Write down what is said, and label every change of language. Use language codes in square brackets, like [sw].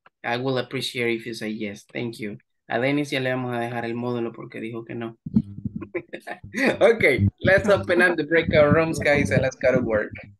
[en] I will appreciate if you say yes, thank you. [es] A Dennis ya le vamos a dejar el módulo porque dijo que no. [en] Okay, let's open up the breakout rooms, guys, and let's go to work.